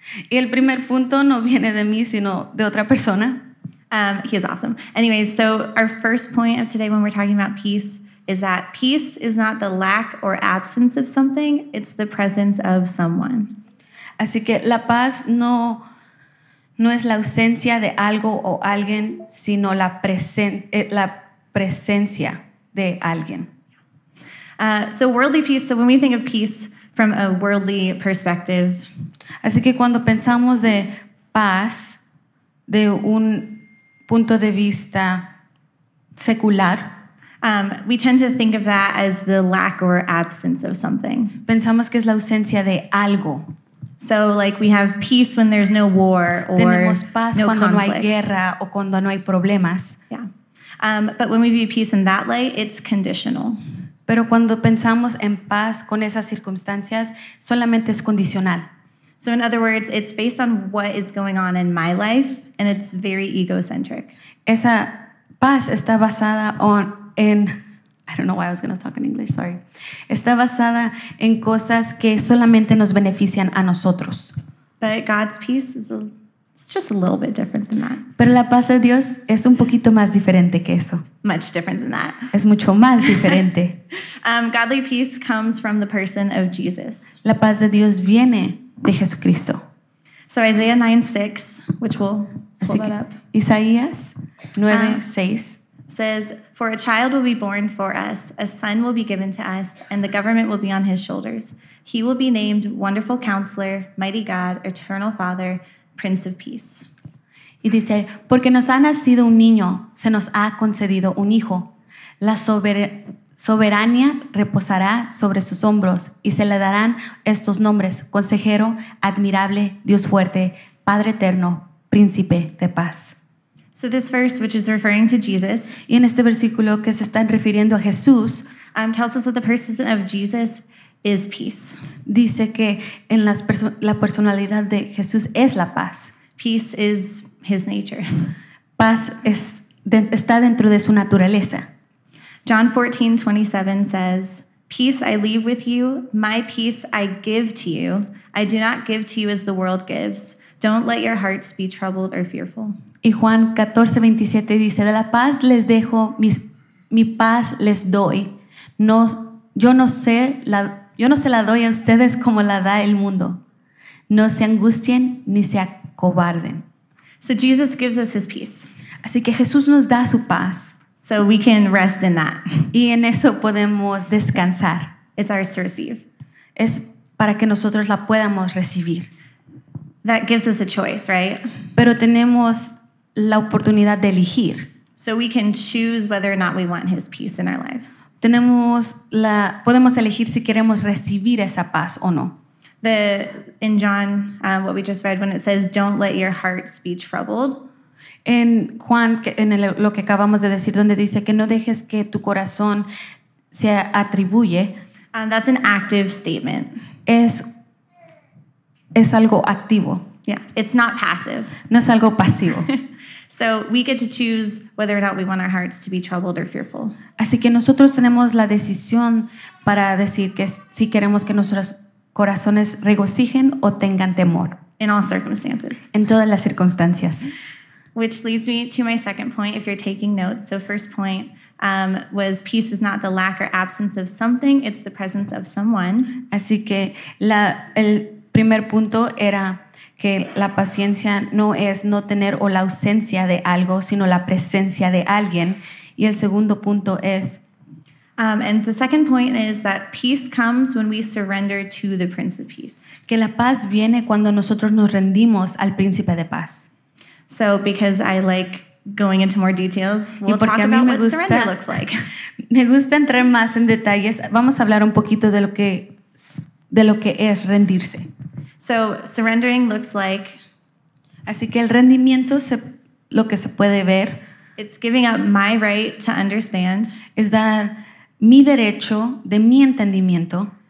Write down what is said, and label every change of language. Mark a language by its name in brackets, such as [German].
[Spanish] Y el primer punto no viene de mí, sino de otra persona. [English] He is awesome. Anyways, so our first point of today when we're talking about peace is that peace is not the lack or absence of something, it's the presence of someone. [Spanish] Así que la paz no es la ausencia de algo o alguien, sino la presencia de alguien. [English] So worldly peace, so when we think of peace from a worldly perspective. [Spanish] Así que cuando pensamos de paz, de un punto de vista secular. [English] We tend to think of that as the lack or absence of something. [Spanish] Pensamos que es la ausencia de algo. [English] So like we have peace when there's no war or no conflict. [Spanish] Tenemos paz cuando no hay guerra o cuando no hay problemas. [English] Yeah. But when we view peace in that light, it's conditional. [Spanish] Pero cuando pensamos en paz con esas circunstancias, solamente es condicional. [English] So in other words, it's based on what is going on in my life, and it's very egocentric. [Spanish] Esa paz está basada en [English] I don't know why I was going to talk in English, sorry. [Spanish] Está basada en cosas que solamente nos benefician a nosotros. [English] But God's peace is it's just a little bit different than that. [Spanish] Pero la paz de Dios es un poquito más diferente que eso. [English] It's much different than that. [Spanish] Es mucho más diferente. [English] Godly peace comes from the person of Jesus. [Spanish] La paz de Dios viene de Jesucristo. [English] So Isaiah 9:6, which we'll pull that up. [Spanish] Isaías 9:6 [English] says, "For a child will be born for us, a son will be given to us, and the government will be on his shoulders. He will be named Wonderful Counselor, Mighty God, Eternal Father, Prince of Peace." [Spanish] Y dice, "Porque nos ha nacido un niño, se nos ha concedido un hijo. La soberanía reposará sobre sus hombros y se le darán estos nombres: Consejero, Admirable, Dios Fuerte, Padre Eterno, Príncipe de Paz." [English] So this verse, which is referring to Jesus, [Spanish] y en este versículo que se están refiriendo a Jesús, [English] tells us that the person of Jesus is peace. [Spanish] Dice que en la personalidad de Jesús es la paz. [English] Peace is his nature. [Spanish] Paz está dentro de su naturaleza. [English] John 14:27 says, "Peace I leave with you, my peace I give to you. I do not give to you as the world gives. Don't let your hearts be troubled or fearful." [Spanish] Y Juan 14:27 dice, "De la paz les dejo, mi paz les doy. Yo no se la doy a ustedes como la da el mundo. No se angustien ni se acobarden." [English] So Jesus gives us his peace. [Spanish] Así que Jesús nos da su paz. [English] So we can rest in that. [Spanish] Y en eso podemos descansar. [English] It's ours to receive. [Spanish] Es para que nosotros la podamos recibir. [English] That gives us a choice, right? [Spanish] Pero tenemos la oportunidad de elegir. [English] So we can choose whether or not we want his peace in our lives. [Spanish] Podemos elegir si queremos recibir esa paz o no. [English] In John, what we just read, when it says, "Don't let your hearts be troubled." [Spanish] En Juan, lo que acabamos de decir, donde dice que no dejes que tu corazón se atribuye. [English] That's an active statement. [Spanish] Es algo activo. [English] Yeah, it's not passive. [Spanish] No es algo pasivo. [English] So we get to choose whether or not we want our hearts to be troubled or fearful. [Spanish] Así que nosotros tenemos la decisión para decir que si queremos que nuestros corazones regocijen o tengan temor. [English] In all circumstances. [Spanish] En todas las circunstancias. [English] Which leads me to my second point, if you're taking notes. So first point was peace is not the lack or absence of something, it's the presence of someone. [Spanish] Así que el primer punto era que la paciencia no es no tener o la ausencia de algo, sino la presencia de alguien. Y el segundo punto es... [English] And the second point is that peace comes when we surrender to the Prince of Peace. [Spanish] Que la paz viene cuando nosotros nos rendimos al Príncipe de Paz. [English] So because I like going into more details, we'll talk about what surrender looks like. [Spanish] Me gusta entrar más en detalles. Vamos a hablar un poquito de lo que es rendirse. [English] So surrendering looks like... [Spanish] Así que el rendimiento, lo que se puede ver... [English] It's giving up my right to understand... [Spanish] Es dar mi derecho de mi entendimiento...